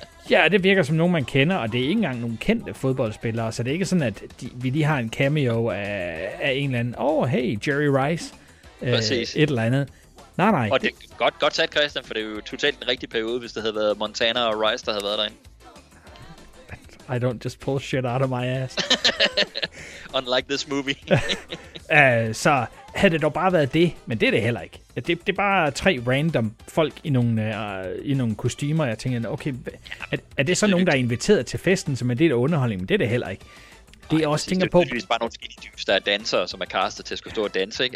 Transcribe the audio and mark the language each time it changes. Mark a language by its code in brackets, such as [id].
[da] Ja, det virker som nogen, man kender, og det er ikke engang nogen kendte fodboldspillere, så det er ikke sådan, at vi lige har en cameo af en eller anden, hey, Jerry Rice, et eller andet. Nej. Og det er godt sat, Christian, for det er jo totalt den rigtige periode, hvis det havde været Montana og Rice, der havde været derinde. [en] I don't just pull shit out of my ass. Unlike this movie. [da] Så havde det dog bare været det, men det er det heller ikke. Det er bare tre random folk i nogle kostymer. Jeg tænker, okay, er det så nogen, der er inviteret til festen, som er det der underholdning? Men det er det heller ikke. Det er også tænker på... Det er bare nogle skinny dudes, der er dansere, som er castet til at skulle stå og danse, ikke?